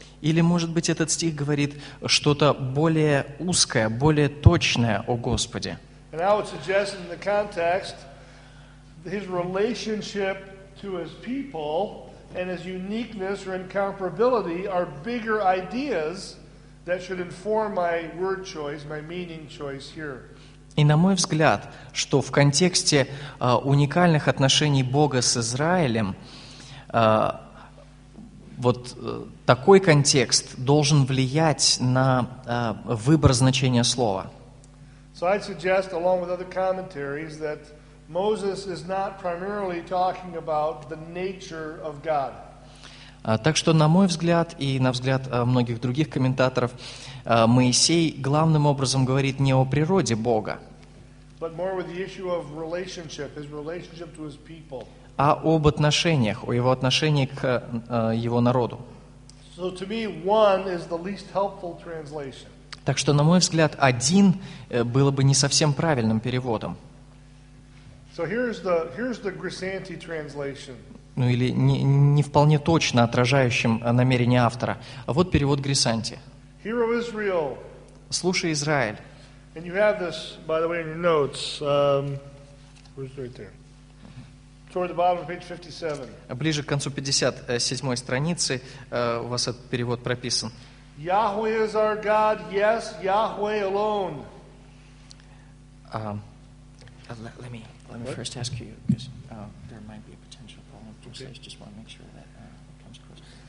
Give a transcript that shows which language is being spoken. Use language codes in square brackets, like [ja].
[ru] Или, может быть, этот стих говорит что-то более узкое, более точное о Господе? [en] And I would suggest in the context His relationship to His people and His uniqueness or incomparability are bigger ideas that should inform my word choice, my meaning choice here. [ru] И на мой взгляд, что в контексте уникальных отношений Бога с Израилем, вот такой контекст должен влиять на выбор значения слова. [en] So I'd suggest, along with other commentaries, that Moses is not primarily talking about the nature of God. [ru] Так что, на мой взгляд, и на взгляд многих других комментаторов, Моисей главным образом говорит не о природе Бога, [en] but more with the issue of relationship, his relationship to his people. [ru] А об отношениях, о его отношении к его народу. [en] So to me, one is the least helpful translation. [ru] Так что, на мой взгляд, один было бы не совсем правильным переводом. [en] So here's the Grisanti translation. [ru] Ну или не вполне точно отражающим намерение автора. А вот перевод Грисанти. [en] Hear, O Israel. [ru] Слушай, Израиль. [en] And you have this, by the way, in your notes. Where's it right there? Toward the bottom of page 57. [ru] Ближе к концу 57-й страницы у вас этот перевод прописан. [en] Yahweh is our God, yes, Yahweh alone. Let me first ask you, because there might be a potential problem. Okay. So I just want to make sure that comes across.